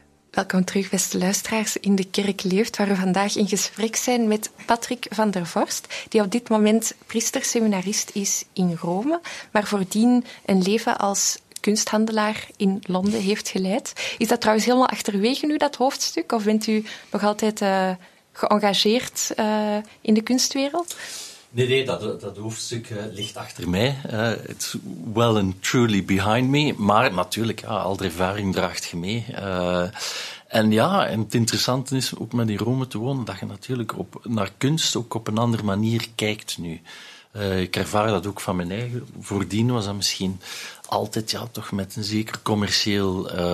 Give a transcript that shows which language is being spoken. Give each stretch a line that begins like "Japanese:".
Dutch: Welkom terug, beste luisteraars in De Kerk Leeft, waar we vandaag in gesprek zijn met Patrick van der Vorst, die op dit moment priesterseminarist is in Rome, maar voordien een leven als kunsthandelaar in Londen heeft geleid. Is dat trouwens helemaal achterwege nu, dat hoofdstuk, of bent u nog altijd geëngageerd in de kunstwereld? Nee, dat hoofdstuk ligt achter mij.
English: It's well and truly behind me.
Dutch: Maar natuurlijk, ja, al de ervaring draagt je mee. En het interessante is ook met in Rome te wonen, dat je natuurlijk naar kunst ook op een andere manier kijkt nu. Ik ervaar dat ook van mijn eigen. Voordien was dat misschien altijd toch met een zeker commercieel...